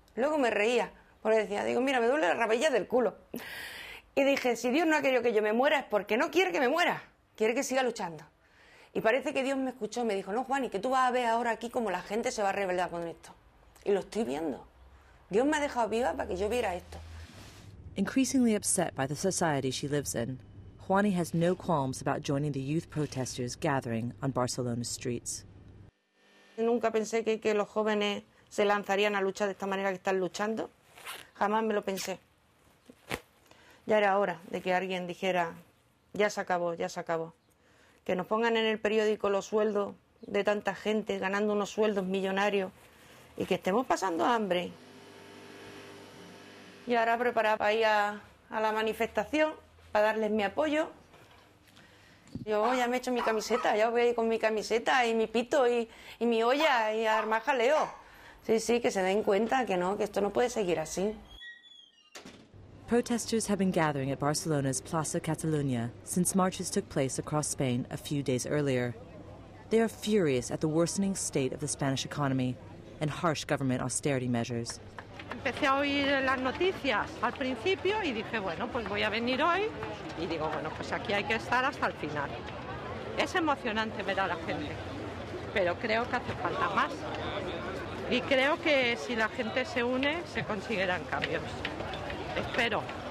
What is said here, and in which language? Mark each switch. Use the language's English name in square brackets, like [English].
[Spanish] Luego me reía, porque decía, digo, mira, me duele la rabilla del culo. Y dije, si Dios no ha querido que yo me muera, es porque no quiere que me muera, quiere que siga luchando. Y parece que Dios me escuchó y me dijo, no, Juani, que tú vas a ver ahora aquí cómo la gente se va a rebelar con esto. Y lo estoy viendo. Dios me ha dejado viva para que yo viera esto. [English] Increasingly upset by the society she lives in, Juani has no qualms about joining the youth protesters gathering on Barcelona's streets. [Spanish] Nunca pensé que los jóvenes se lanzarían a luchar de esta manera que están luchando. Jamás me lo pensé. Ya era hora de que alguien dijera, ya se acabó, ya se acabó. Que nos pongan en el periódico los sueldos de tanta gente ganando unos sueldos millonarios y que estemos pasando hambre. Y ahora preparado para ir a la manifestación para darles mi apoyo. Yo ya me he hecho mi camiseta, ya voy a ir con mi camiseta y mi pito y mi olla y a armar jaleo. Sí, sí, que se den cuenta que no, que esto no puede seguir así. [English] Protesters have been gathering at Barcelona's Plaza Catalunya since marches took place across Spain a few days earlier. They are furious at the worsening state of the Spanish economy and harsh government austerity measures. [Spanish] Empecé a oír las noticias al principio y dije, bueno, pues voy a venir hoy. Y digo, bueno, pues aquí hay que estar hasta el final. Es emocionante ver a la gente, pero creo que hace falta más. Y creo que si la gente se une, se conseguirán cambios. Espero.